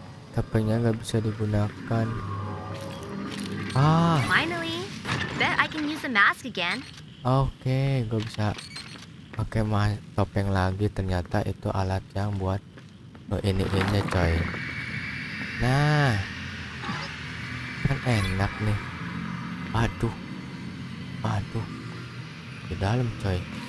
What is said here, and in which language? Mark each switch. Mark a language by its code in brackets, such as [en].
[id] Tapinya nggak bisa digunakan. [en] Finally, bet I can use the mask again. [id] Oke, gue bisa pakai topeng lagi. Ternyata itu alat yang buat ini coy. Nah, kan enak nih. Aduh, di dalam coy.